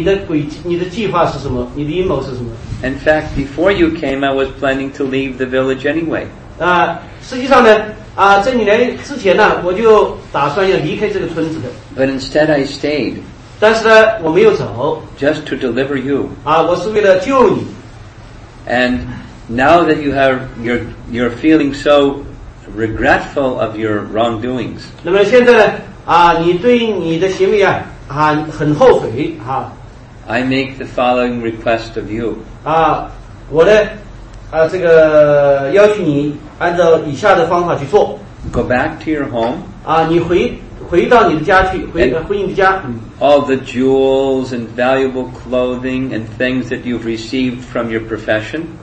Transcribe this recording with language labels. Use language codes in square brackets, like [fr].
[zh] 他说你今天来的时候我就知道你的计划是什么，你的阴谋是什么。 [en] In fact, before you came, I was planning to leave the village anyway. [zh] 实际上呢, 在你来之前呢，我就打算要离开这个村子的。 [en] But instead I stayed. [zh] 但是呢，我没有走。 [en] Just to deliver you. [zh] 我是为了救你。 [en] And now that you have you're feeling so regretful of your wrongdoings. [zh] 那么现在呢，你对你的行为很后悔。 [en] I make the following request of you. [zh] 我呢，这个邀请你按照以下的方法去做。 [en] Go back to your home. [zh] 你回到你的家去，回你的家。 [en] All the jewels and valuable clothing and things that you've received from your profession.